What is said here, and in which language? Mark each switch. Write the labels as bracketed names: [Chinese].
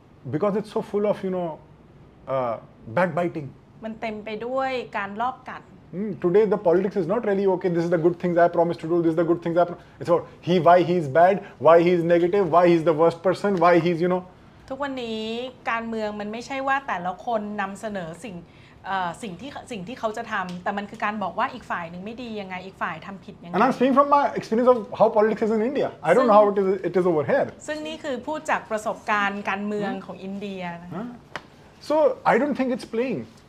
[English] Because it's so full of you know backbiting [Thai] มันเต็มไปด้วยการลอบกัด [English] Today the politics is not really okay. This is the good things I promised to do. This is the good things I promised. It's about he, why he is bad, why he is negative, why he is the worst person, why he is, you know. [Thai] ทุกวันนี้การเมืองมันไม่ใช่ว่าแต่ละคนนำเสนอสิ่งที่เขาจะทำแต่มันคือการบอกว่าอีกฝ่ายนึงไม่ดียังไงอีกฝ่ายทำผิดยังไง [English] And I'm speaking from my experience of how politics is in India. I don't know how it is over here. [Thai] ซึ่งนี่คือพูดจากประสบการณ์การเมืองของอินเดีย [English] So I don't think it's playing.